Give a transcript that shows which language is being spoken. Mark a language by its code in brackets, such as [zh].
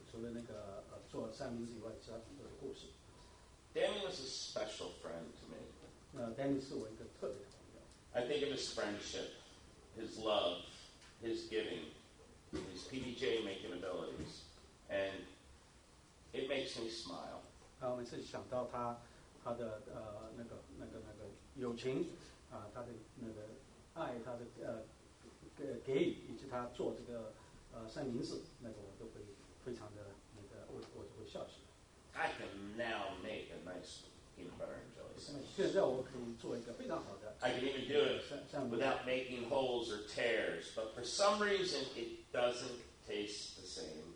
[zh] 还有很多其他的那个，跟那个，就除了那个做三明治以外，其他很多的故事。 [en] Danny was a special friend to me. [zh] Danny 是我一个特别的朋友。 [en] I think of his friendship, his love, his giving, his PDJ making abilities, and it makes me smile. [zh] 我每次想到他的那个友情，他的那个爱，他的。给予以及他做这个三明治，那个我都会非常的那个，我就会笑起来。 [en] I can now make a nice peanut butter and jelly sandwich. [zh] 现在我可以做一个非常好的。 [en] I can even do it without making holes or tears, but for some reason it doesn't taste the same.